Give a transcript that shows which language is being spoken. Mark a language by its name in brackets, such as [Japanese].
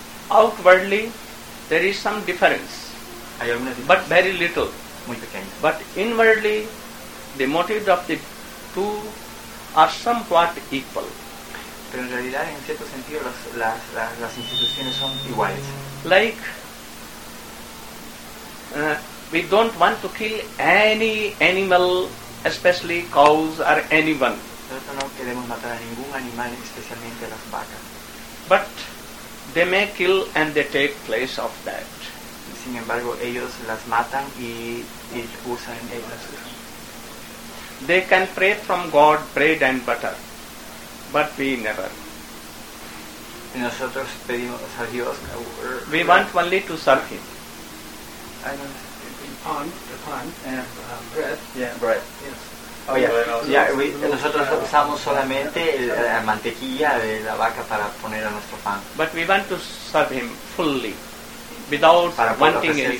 [English] Outwardly, there is some difference, but very little. [Spanish] Muy pequeño. [English] But inwardly, the motives of the two are somewhat equal. [Spanish] Pero en realidad, en cierto sentido, las instituciones son iguales. [English] Like, we don't want to kill any animal, especially cows or anyone. [Spanish] Nosotros no queremos matar a ningún animal, especialmente las vacas. [English] But they may kill and they take place of that. [Spanish] Sin embargo, ellos las matan y usan ellas. [English] They can pray from God bread and butter, but we never. [Spanish] Nosotros pedimos a Dios. [English] We want only to serve Him. [Spanish] Pan, [English] bread. Yeah, bread. Yes. Oh yeah. [Spanish] Nosotros usamos solamente la mantequilla de la vaca para poner a nuestro pan. [English] But we want to serve Him fully, without wanting anything.